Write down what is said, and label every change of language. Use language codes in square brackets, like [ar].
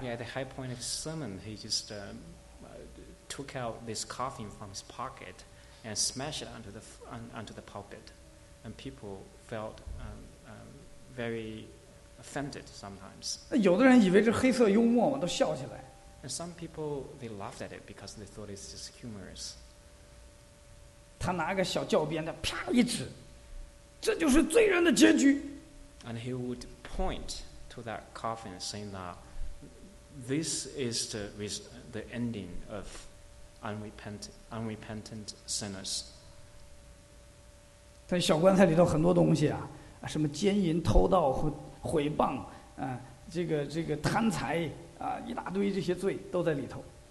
[en] Yeah, at the high point of sermon, he just took out this coffin from his pocket and smashed it onto the pulpit, and people felt very. Offended sometimes. [zh] 有的人以为是黑色幽默，我都笑起来。 [en] And some people they laughed at it because they thought it's just humorous. [zh] 他拿个小教鞭的啪一指，这就是罪人的结局。 [en] And he would point to that coffin, saying that this is the ending of unrepentant sinners. [zh] 在小棺材里头很多东西啊，什么奸淫、偷盗和。毁谤，这个贪财啊，一大堆这些罪都在里头。